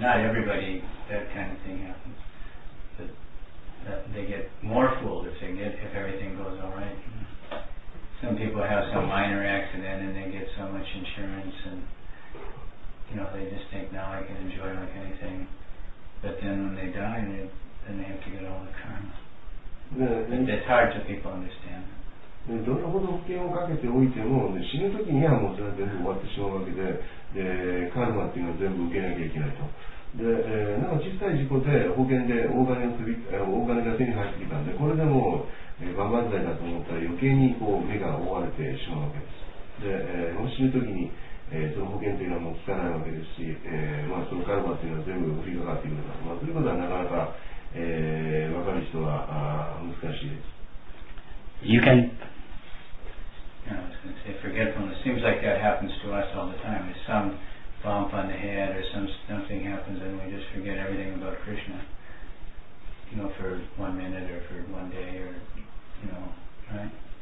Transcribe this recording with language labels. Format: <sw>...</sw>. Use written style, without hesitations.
<en>Not everybody, that kind of thing happens. But that they get more fooled if everything goes over. people have some minor accident and they get so much insurance and, you know, they just think, now I can enjoy like anything. But then when they die, then they have to get all the karma. It's hard to people understand.</en> <ja>どれほど保険をかけておいても、ね、死ぬときにはもうそれは全部終わってしまうわけで、でカルマっていうのは全部受けなきゃいけないと。で、なんか小さい事故で保険で大金が手に入ってきたんで、これでもう、万々歳だと思ったら余計にこう目が覆われてしまうわけです。で、もう死ぬときに、その保険というのはもう効かないわけですし、まあ、そのカルマっていうのは全部降りかかっていくのか、まあ、そういうことはなかなか、分かる人は難しいです。</ja> <en>You can. No, I was going to say forgetfulness. Seems like that happens to us all the time. It's some bump on the head or something happens and we just forget everything about Krishna. You know, for 1 minute or for 1 day or, you know, right?</en>